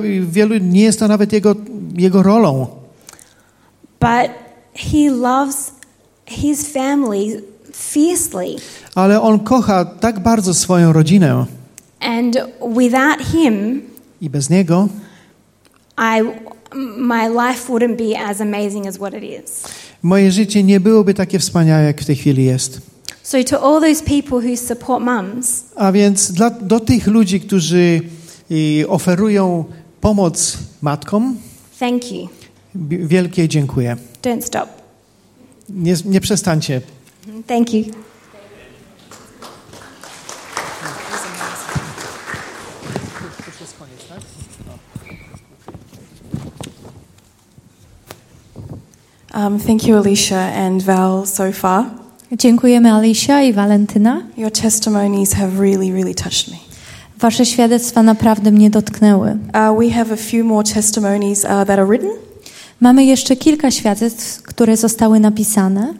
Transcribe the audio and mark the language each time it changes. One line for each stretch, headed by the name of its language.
Polish: Wielu nie jest to nawet jego rolą.
English: But he loves his family fiercely.
Polish: Ale on kocha tak bardzo swoją rodzinę.
English: And without him,
Polish: i bez niego,
English: my life wouldn't be as amazing as what it is.
Polish: Moje życie nie byłoby takie wspaniałe, jak w tej chwili jest.
English: So to all those people who support mums.
Polish: A więc do tych ludzi, którzy oferują pomoc matkom.
English: Thank you.
Polish: Wielkie dziękuję.
English: Don't stop.
Polish: Nie przestańcie.
English: Thank you. Thank you, Alicia and Val, so far.
Polish: Dziękujemy, Alicia i Valentyna.
English: Your testimonies have really, really touched me.
Polish: Wasze świadectwa naprawdę mnie dotknęły.
English: We have a few more testimonies that are written.
Polish: Mamy jeszcze kilka świadectw, które zostały napisane.